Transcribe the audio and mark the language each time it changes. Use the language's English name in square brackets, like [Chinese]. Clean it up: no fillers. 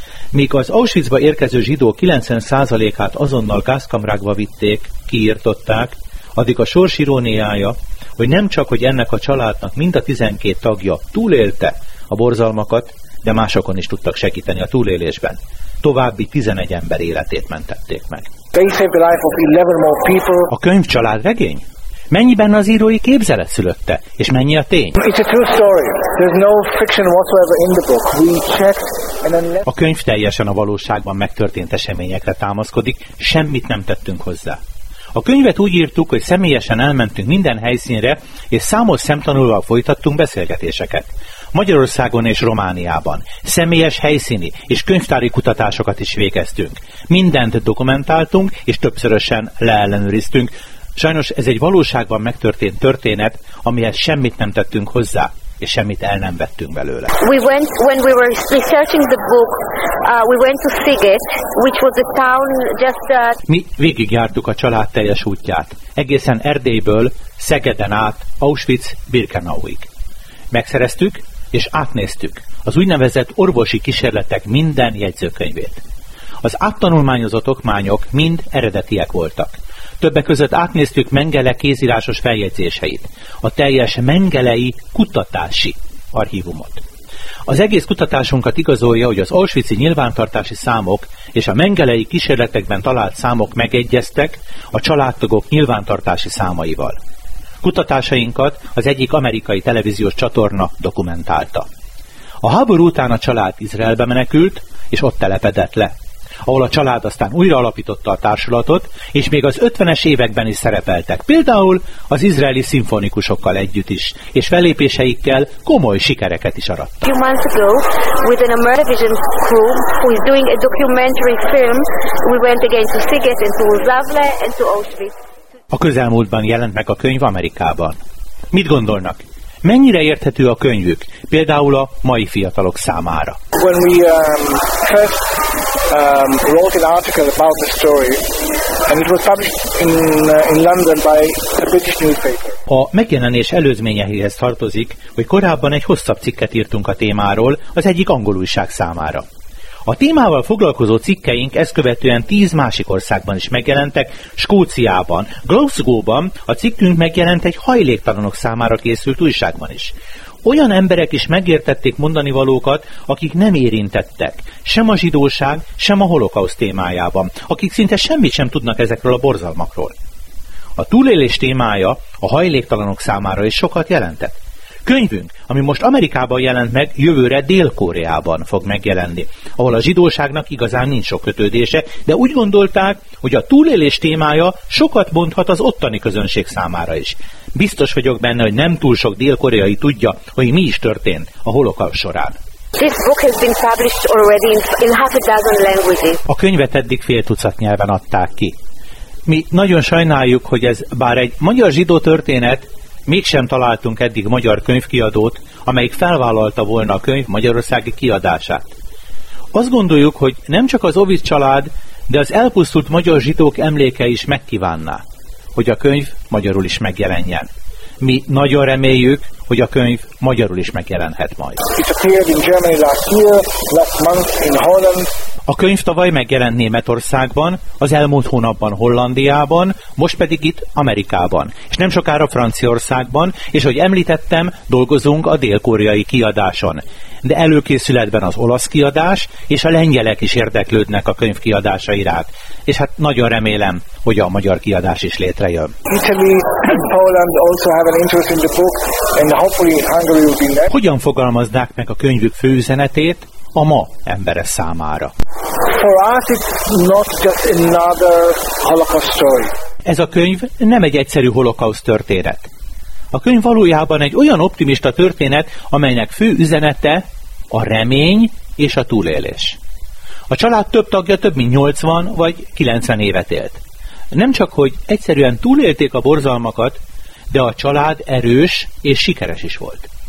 [Hungarian] Míg az Auschwitzba érkező zsidó 90%-át azonnal gázkamrákba vitték, kiirtották, Addig a sors iróniája, hogy nem csak, hogy ennek a családnak mind a 12 tagja túlélte a borzalmakat, de másokon is tudtak segíteni a túlélésben. További 11 ember életét mentették meg. [English] They saved the life of 11 more people. [Hungarian] A könyvcsalád regény? Mennyiben az írói képzelet szülötte, és mennyi a tény? [English] It's a true story. There's no fiction whatsoever in the book. We checked. [Hungarian] A könyv teljesen a valóságban megtörtént eseményekre támaszkodik, semmit nem tettünk hozzá. A könyvet úgy írtuk, hogy személyesen elmentünk minden helyszínre, és számos szemtanúval folytattunk beszélgetéseket. Magyarországon és Romániában személyes helyszíni és könyvtári kutatásokat is végeztünk. Mindent dokumentáltunk, és többszörösen leellenőriztünk. Sajnos ez egy valóságban megtörtént történet, amihez semmit nem tettünk hozzá, és semmit el nem vettünk belőle. [English] We went when we were researching the book. We went to Sziget, which was a town just. [Hungarian] Mi végigjártuk a család teljes útját, egészen Erdélyből Szegeden át Auschwitz-Birkenauig. Megszereztük és átnéztük az úgynevezett orvosi kísérletek minden jegyzőkönyvét. Az áttanulmányozott okmányok mind eredetiek voltak. Többek között átnéztük Mengele kézírásos feljegyzéseit, a teljes mengelei kutatási archívumot. Az egész kutatásunkat igazolja, hogy az auschwitzi nyilvántartási számok és a mengelei kísérletekben talált számok megegyeztek a családtagok nyilvántartási számaival. Kutatásainkat az egyik amerikai televíziós csatorna dokumentálta. A háború után a család Izraelbe menekült, és ott telepedett le, ahol a család aztán újra alapította a társulatot, és még az 50-es években is szerepeltek, például az izraeli szimfonikusokkal együtt is, és fellépéseikkel komoly sikereket is arattak. [English] Few months ago, with an American crew who is doing a documentary film, we went again to Sziget and to Zavle and to Auschwitz. [Hungarian] A közelmúltban jelent meg a könyv Amerikában. Mit gondolnak? Mennyire érthető a könyvük, például a mai fiatalok számára? [English] When we first wrote an article about the story, and it was published in London by a British newspaper. [Hungarian] A megjelenés előzményeihez tartozik, hogy korábban egy hosszabb cikket írtunk a témáról az egyik angol újság számára. A témával foglalkozó cikkeink ezt követően 10 másik országban is megjelentek, Skóciában, Glasgow-ban a cikkünk megjelent egy hajléktalanok számára készült újságban is. Olyan emberek is megértették mondani valókat, akik nem érintettek, sem a zsidóság, sem a holokauszt témájában, akik szinte semmit sem tudnak ezekről a borzalmakról. A túlélés témája a hajléktalanok számára is sokat jelentett. Könyvünk, ami most Amerikában jelent meg, jövőre Dél-Koreában fog megjelenni, ahol a zsidóságnak igazán nincs sok kötődése, de úgy gondolták, hogy a túlélés témája sokat mondhat az ottani közönség számára is. Biztos vagyok benne, hogy nem túl sok dél-koreai tudja, hogy mi is történt a holokauszt során. [English] This book has been published already in half a dozen languages. [Hungarian] A könyvet eddig fél tucat nyelven adták ki. Mi nagyon sajnáljuk, hogy ez bár egy magyar zsidó történet, mégsem találtunk eddig magyar könyvkiadót, amelyik felvállalta volna a könyv magyarországi kiadását. Azt gondoljuk, hogy nem csak az Ovid család, de az elpusztult magyar zsidók emléke is megkívánná, hogy a könyv magyarul is megjelenjen. Mi nagyon reméljük, hogy a könyv magyarul is megjelenhet majd. [English] It appeared in Germany last year, last month in Holland. [Hungarian] A könyv tavaly megjelent Németországban, az elmúlt hónapban Hollandiában, most pedig itt Amerikában, és nem sokára Franciaországban, és ahogy említettem, dolgozunk a dél-koreai kiadáson. De előkészületben az olasz kiadás, és a lengyelek is érdeklődnek a könyv kiadása iránt. És hát nagyon remélem, hogy a magyar kiadás is létrejön. [English] Italy, Poland also have an interest in the book, and hopefully Hungary will be next. [Hungarian] Hogyan fogalmaznák meg a könyvük fő üzenetét a ma embere számára? [English] For us it's not just another Holocaust story. [Hungarian] Ez a könyv nem egy egyszerű holokauszt történet. A könyv valójában egy olyan optimista történet, amelynek fő üzenete a remény és a túlélés. A család több tagja több mint 80 vagy 90 évet élt. Nem csak, hogy egyszerűen túlélték a borzalmakat, de a család erős és sikeres is volt.